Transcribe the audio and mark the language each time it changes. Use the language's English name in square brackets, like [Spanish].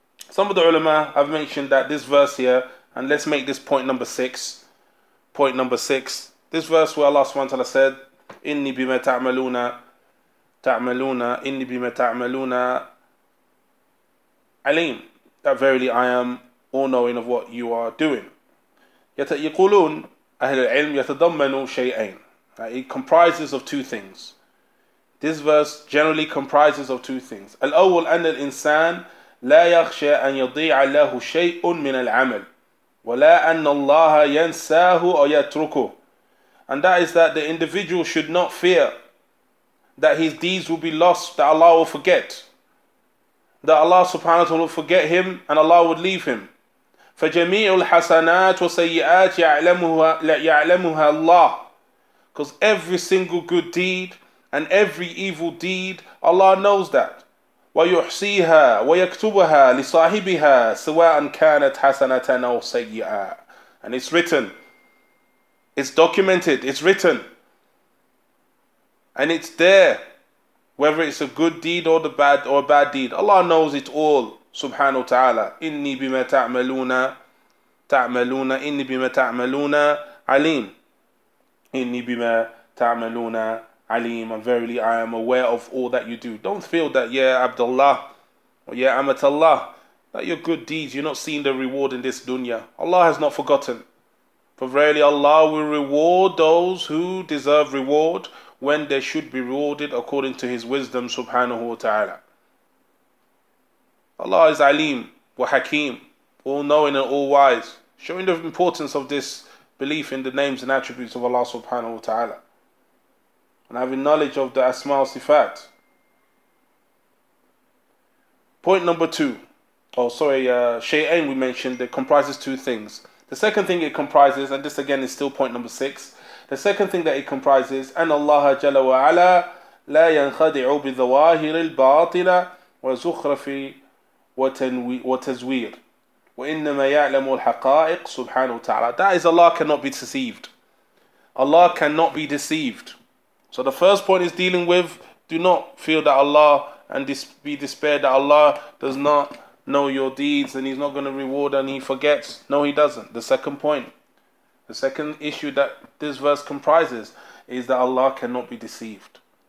[English] Some of the ulama have mentioned that this verse here, and let's make this point number six, this verse where Allah subhanahu wa ta'ala said, [Arabic] Inni bima ta'amaluna, inni bima ta'amaluna alim, [English] that verily I am all knowing of what you are doing. [Arabic] يقولون أهل العلم يتضمنوا شيئين. [English] It comprises of two things. This verse generally comprises of two things. [Arabic] الأول أن الإنسان لا يخشى أن يضيع له شيء من العمل ولا أن الله ينساه أو يتركه. [English] And that is that the individual should not fear that his deeds will be lost, that Allah will forget, that Allah subhanahu wa ta'ala will forget him and Allah would leave him. [Arabic] فجميع الحسنات والسيئات يعلمها الله. [English] Because every single good deed and every evil deed, Allah knows that. [Arabic] ويحصيها ويكتبها لصاحبها سواء كانت حسنة أو سيئة. [English] And it's written. It's documented. It's written. And it's there. Whether it's a good deed or the bad or a bad deed. Allah knows it all. Subhanahu wa ta'ala. [Arabic] إني بما تعملون تعملون إني بما تعملون عليم. إني بما تعملون عليم. [English] And verily I am aware of all that you do. Don't feel that, yeah, Abdullah, or yeah, Amatullah, that your good deeds, you're not seeing the reward in this dunya. Allah has not forgotten. For verily Allah will reward those who deserve reward when they should be rewarded according to His wisdom, subhanahu wa ta'ala. Allah is Alim wa Hakim, all-knowing and all-wise, showing the importance of this belief in the names and attributes of Allah subhanahu wa ta'ala. And having knowledge of the Asma al Sifat. Point number two. Oh, sorry, Shay'ain we mentioned, it comprises two things. The second thing it comprises, and this again is still point number six. The second thing that it comprises, [Arabic] أن الله جل وعلا لا ينخدع بالظواهر الباطلة وزخرف وتزوير وإنما يعلم الحقائق سبحانه وتعالى. [English] That is, Allah cannot be deceived. Allah cannot be deceived. So the first point is dealing with, do not feel that Allah and be despaired that Allah does not know your deeds and He's not going to reward and He forgets. No, He doesn't. The second point. The second issue that this verse comprises is that Allah cannot be deceived.